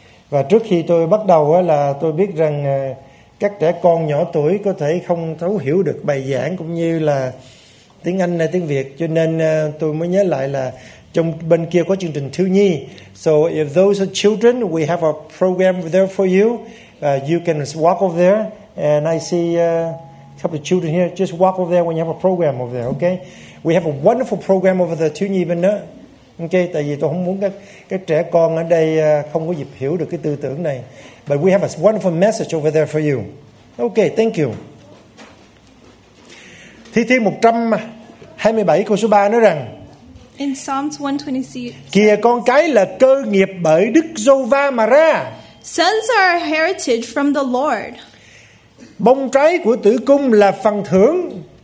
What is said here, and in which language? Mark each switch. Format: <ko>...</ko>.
<vi>Và trước khi tôi bắt đầu là tôi biết rằng các trẻ con nhỏ tuổi có thể không thấu hiểu được bài giảng cũng như là tiếng Anh hay tiếng Việt, cho nên tôi mới nhớ lại là trong bên kia có chương trình thiếu nhi.</vi> <en>So if those are children, we have a program there for you. You can walk over there and I see a couple of children here. Just walk over there when you have a program over there, okay? We have a wonderful program over the</en> <vi>thiếu nhi bên đó. Okay, tại vì tôi không muốn các trẻ con ở đây không có dịp hiểu được cái tư tưởng này.</vi> <en>But we have a wonderful message over there for you. Okay, thank you.</en> <vi>Thi Thiên 127 câu số 3 nói rằng:</vi> <en>In Psalms 127,</en> <vi>kìa con cái là cơ nghiệp bởi Đức Giê-hô-va mà ra.</vi> <en>Sons are a heritage from the Lord.</en> <vi>Bông trái của tử cung là phần thưởng.</vi>